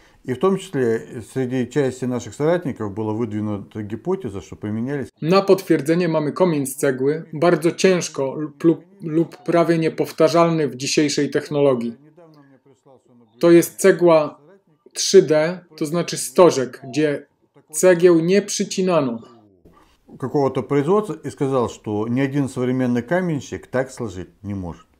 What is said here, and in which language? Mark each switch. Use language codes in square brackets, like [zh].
[ru] И в том числе среди части наших соратников была выдвинута гипотеза, что применялись. На подтверждение мамы [pl] komin z cegły, bardzo ciężko lub prawie niepowtarzalny w dzisiejszej technologii. To jest cegła 3D, to znaczy stożek, gdzie cegieł nie przycinano. [ru] Какого-то производства и сказал, что ни один современный каменщик так сложить не может.